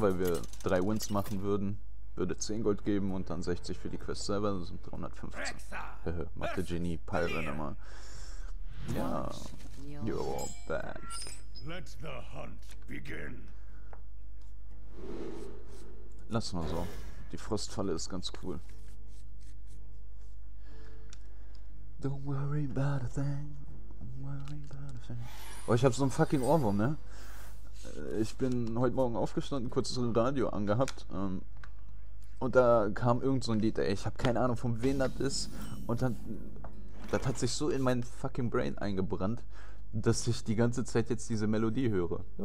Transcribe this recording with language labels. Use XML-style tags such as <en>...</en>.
<de>Weil wir 3 Wins machen würden. Würde 10 Gold geben und dann 60 für die Quest selber, das sind 315. Mathe Genie, Pyro nochmal. Ja,</de> <en>you're back. Let the hunt begin.</en> <de>Lass mal so. Die Frostfalle ist ganz cool.</de> <en>Don't worry about a thing. Don't worry about a thing.</en> <de>Oh, ich hab so einen fucking Ohrwurm, ne? Ich bin heute Morgen aufgestanden, kurz so ein Radio angehabt. Und da kam irgend so ein Lied, ey, ich habe keine Ahnung, von wem das ist. Und dann, das hat sich so in mein fucking Brain eingebrannt, dass ich die ganze Zeit jetzt diese Melodie höre.</de>